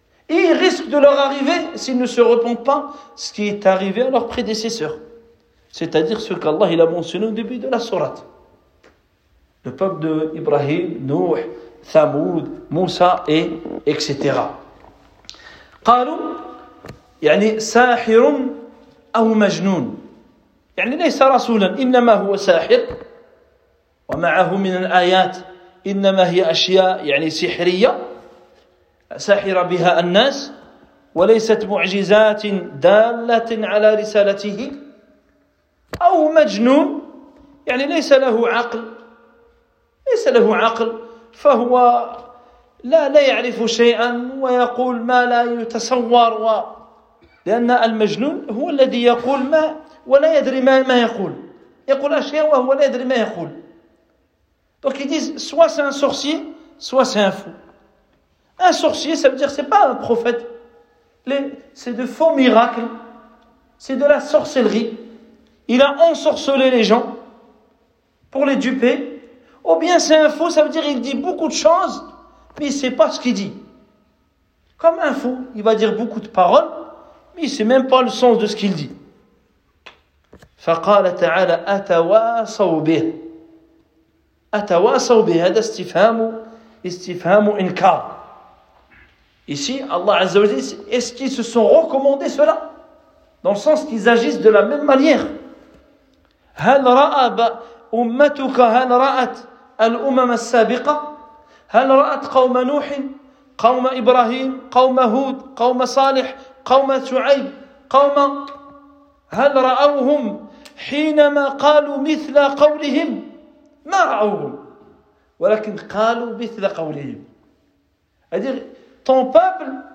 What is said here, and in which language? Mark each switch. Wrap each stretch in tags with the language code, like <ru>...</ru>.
<fr>Et ils risquent de leur arriver, s'ils ne se repentent pas, ce qui est arrivé à leurs prédécesseurs. C'est-à-dire ce qu'Allah il a mentionné au début de la sourate. Le peuple de Ibrahim, Nuh, Thamoud, Moussa et etc.</fr> <ar>قالوا يعني ساحر أو مجنون يعني ليس رسولا إنما هو ساحر ومعه من الآيات إنما هي أشياء يعني سحرية ساحرة بها الناس وليست معجزات دالة على رسالته أو مجنون يعني ليس له عقل ليس له عقل فهو لا يعرف شيئا ويقول ما لا يتصور لأن المجنون هو الذي يقول ما ولا يدري ما يقول يقول أشياء وهو لا يدري ما يقول</ar> <fr>donc ils disent soit c'est un sorcier soit c'est un fou. Un sorcier ça veut dire c'est pas un prophète c'est de faux miracles, c'est de la sorcellerie, il a ensorcelé les gens pour les duper. Ou bien c'est un fou, ça veut dire qu'il dit beaucoup de choses, mais il ne sait pas ce qu'il dit. Comme un fou, il va dire beaucoup de paroles, mais il ne sait même pas le sens de ce qu'il dit.</fr> <ar>فَقَالَ تَعَالَ أَتَوَاصَوْ بِهِ أَتَوَاصَوْ بِهِ هَذَا اسْتِفْهَامُ إِنْكَارُ</ar> <fr>Ici, Allah</fr> <ar>Azza wa Jalla,</ar> <fr>est-ce qu'ils se sont recommandés cela? Dans le sens qu'ils agissent de la même manière.</fr> <ar>هَلْ رَأَبَ أمتك هل رأت الأمم السابقة هل رأت قوم نوح قوم إبراهيم قوم هود قوم صالح قوم شعيب قوم هل رأوهم حينما قالوا مثل قولهم ما رأوهم ولكن قالوا مثل قولهم</ar> <fr>c'est-à-dire ton peuple</fr>